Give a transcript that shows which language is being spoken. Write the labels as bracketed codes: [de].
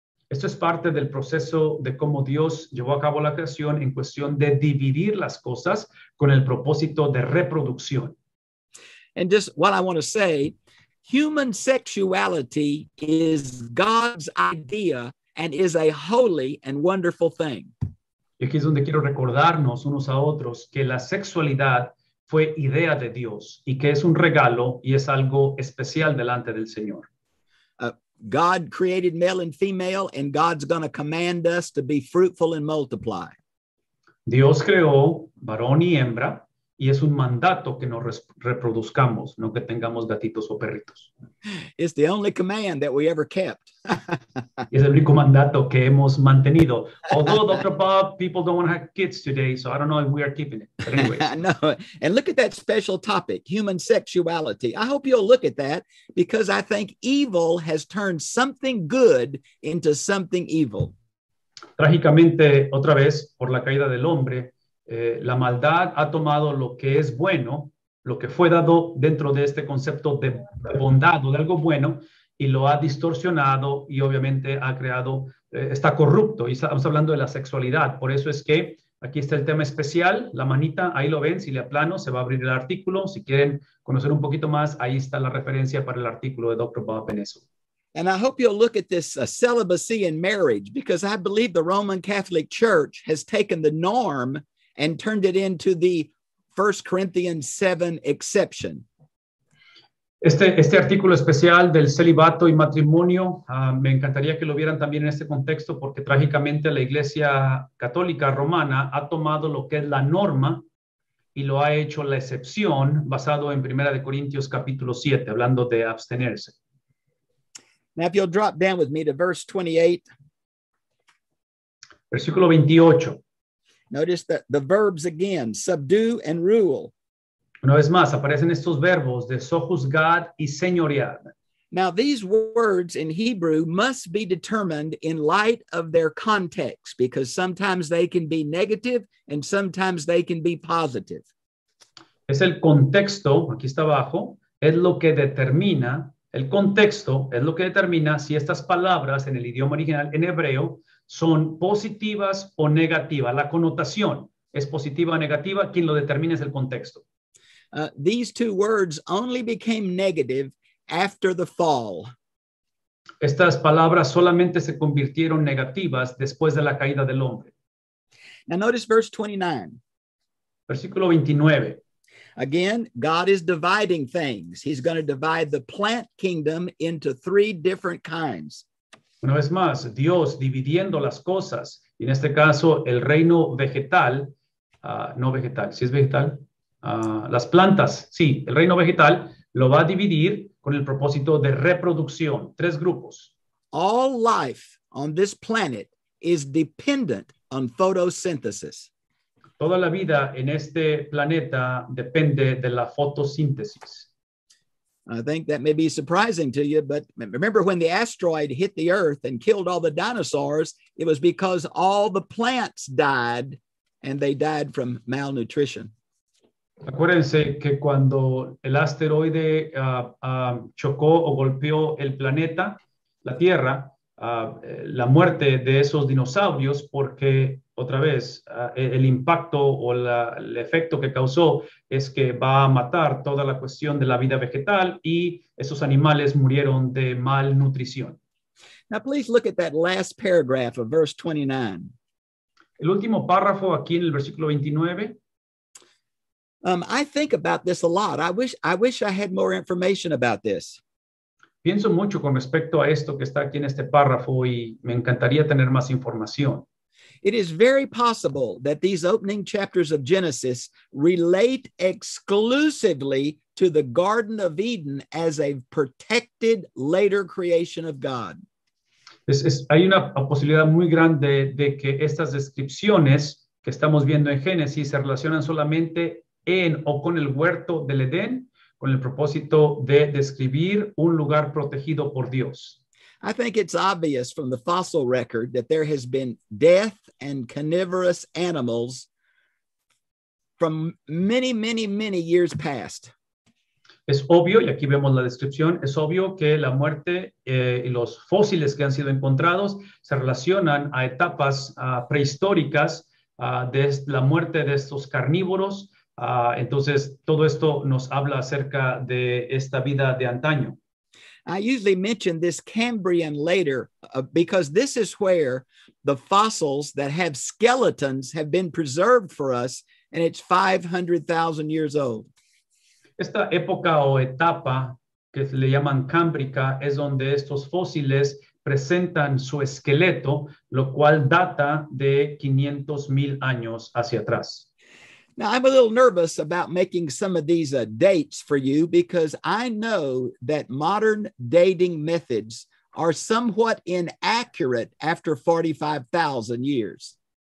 [es] Esto es parte del proceso de cómo Dios llevó a cabo la creación en cuestión de dividir las cosas con el propósito de reproducción. [en] And just what I want to say, human sexuality is God's idea and is a holy and wonderful thing. [es] Y aquí es donde quiero recordarnos unos a otros que la sexualidad fue idea de Dios y que es un regalo y es algo especial delante del Señor. [en] God created male and female, and God's going to command us to be fruitful and multiply. [es] Dios creó varón y hembra, y es un mandato que nos reproduzcamos, no que tengamos gatitos o perritos. [en] It's the only command that we ever kept. [es] Es el único mandato que hemos mantenido. [en] Although, Dr. Bob, people don't want to have kids today, so I don't know if we are keeping it. But anyways. No. And look at that special topic, human sexuality. I hope you'll look at that, because I think evil has turned something good into something evil. [es] Trágicamente, otra vez, por la caída del hombre, la maldad ha tomado lo que es bueno, lo que fue dado dentro de este concepto de bondad o de algo bueno, y lo ha distorsionado y obviamente ha creado, está corrupto. Y estamos hablando de la sexualidad. Por eso es que aquí está el tema especial, la manita, ahí lo ven, si le aplano, se va a abrir el artículo. Si quieren conocer un poquito más, ahí está la referencia para el artículo de Dr. Bob en eso. [en] And I hope you'll look at this celibacy in marriage, because I believe the Roman Catholic Church has taken the norm and turned it into the 1 Corinthians 7 exception. [es] Este artículo especial del celibato y matrimonio, me encantaría que lo vieran también en este contexto, porque trágicamente la Iglesia Católica Romana ha tomado lo que es la norma y lo ha hecho la excepción, basado en 1 Corintios capítulo 7, hablando de abstenerse. [en] Now if you'll drop down with me to verse 28. [es] Versículo 28. [en] Notice that the verbs again, subdue and rule. [es] Una vez más, aparecen estos verbos de sojuzgar y señorear. [en] Now, these words in Hebrew must be determined in light of their context, because sometimes they can be negative and sometimes they can be positive. [es] Es el contexto, aquí está abajo, es lo que determina, el contexto es lo que determina si estas palabras en el idioma original en hebreo son positivas o negativas. La connotación es positiva o negativa, quien lo determina es el contexto. [en] These two words only became negative after the fall. [es] Estas palabras solamente se convirtieron negativas después de la caída del hombre. [en] Now notice verse 29. [es] Versículo 29. [en] Again, God is dividing things. He's going to divide the plant kingdom into three different kinds. [es] Una vez más, Dios dividiendo las cosas. Y en este caso, el reino vegetal, no vegetal, si es vegetal. Las plantas, sí, el reino vegetal lo va a dividir con el propósito de reproducción, tres grupos. [en] All life on this planet is dependent on photosynthesis. [es] Toda la vida en este planeta depende de la fotosíntesis. [en] I think that may be surprising to you, but remember when the asteroid hit the Earth and killed all the dinosaurs, it was because all the plants died, and they died from malnutrition. [es] Acuérdense que cuando el asteroide chocó o golpeó el planeta, la Tierra, la muerte de esos dinosaurios, porque otra vez, el impacto o el efecto que causó es que va a matar toda la cuestión de la vida vegetal y esos animales murieron de malnutrición. [en] Now please look at that last paragraph of verse 29. [es] El último párrafo aquí en el versículo 29. [en] I think about this a lot. I wish I had more information about this. [es] Pienso mucho con respecto a esto que está aquí en este párrafo y me encantaría tener más información. [en] It is very possible that these opening chapters of Genesis relate exclusively to the Garden of Eden as a protected later creation of God. [es] Hay una posibilidad muy grande de que estas descripciones que estamos viendo en Génesis se relacionan solamente en o con el huerto del Edén, con el propósito de describir un lugar protegido por Dios. [en] I think it's obvious from the fossil record that there has been death and carnivorous animals from many, many, many years past. [es] Es obvio, y aquí vemos la descripción, es obvio que la muerte y los fósiles que han sido encontrados se relacionan a etapas prehistóricas de la muerte de estos carnívoros. Entonces, todo esto nos habla acerca de esta vida de antaño. [en] I usually mention this Cambrian later because this is where the fossils that have skeletons have been preserved for us, and it's 500,000 years old. [es] Esta época o etapa que le llaman Cámbrica es donde estos fósiles presentan su esqueleto, lo cual data de 500,000 años hacia atrás. [en] Now, I'm a little nervous about making some of these dates for you because I know that modern dating methods are somewhat inaccurate after 45,000 years.